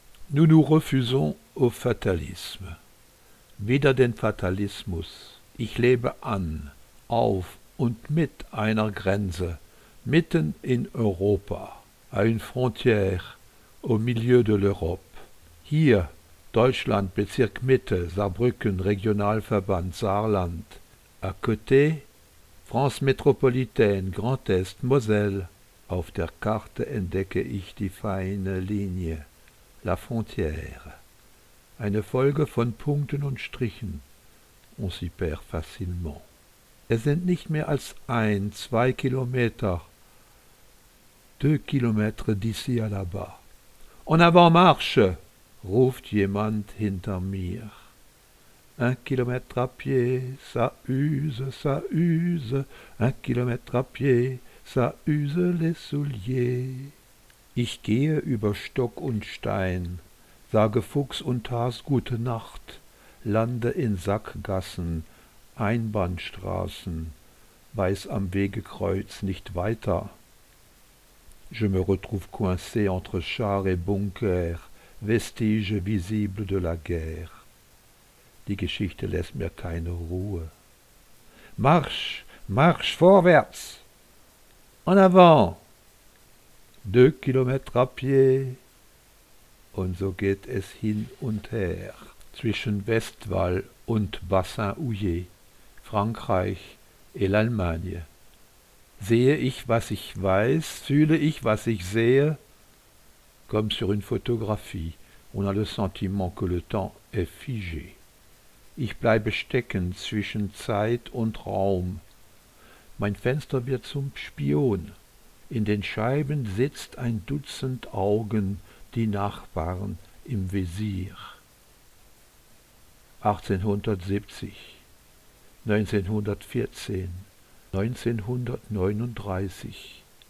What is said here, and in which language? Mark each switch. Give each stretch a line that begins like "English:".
French: Nous nous refusons au fatalisme.
German: Wider den Fatalismus. Ich lebe an, auf und mit einer Grenze, mitten in Europa,
French: à une frontière, au milieu de l'Europe.
German: Hier, Deutschland, Bezirk Mitte, Saarbrücken, Regionalverband, Saarland.
French: À côté, France métropolitaine, Grand Est, Moselle.
German: Auf der Karte entdecke ich die feine Linie,
French: la frontière.
German: Eine Folge von Punkten und Strichen.
French: On s'y perd facilement.
German: Es sind nicht mehr als 1-2 Kilometer.
French: 2 Kilometer d'ici à là-bas. En avant marche!
German: Ruft jemand hinter mir.
French: 1 Kilometer à pied, ça use, ça use. 1 Kilometer à pied, ça use les souliers.
German: Ich gehe über Stock und Stein, sage Fuchs und Has gute Nacht, lande in Sackgassen, Einbahnstraßen, weiß am Wegekreuz nicht weiter.
French: Je me retrouve coincé entre chars et bunkers, vestiges visibles de la guerre.
German: Die Geschichte lässt mir keine Ruhe. Marsch, marsch vorwärts!
French: En avant!
German: 2 Kilometer
French: à pied!
German: Und so geht es hin und her zwischen Westwall und Bassin-Houillé, Frankreich
French: et l'Allemagne.
German: Sehe ich, was ich weiß, fühle ich, was ich sehe?
French: Comme sur une photographie, on a le sentiment que le temps est figé.
German: Ich bleibe stecken zwischen Zeit und Raum. Mein Fenster wird zum Spion. In den Scheiben sitzt ein Dutzend Augen, die Nachbarn im Visier. 1870, 1914, 1939.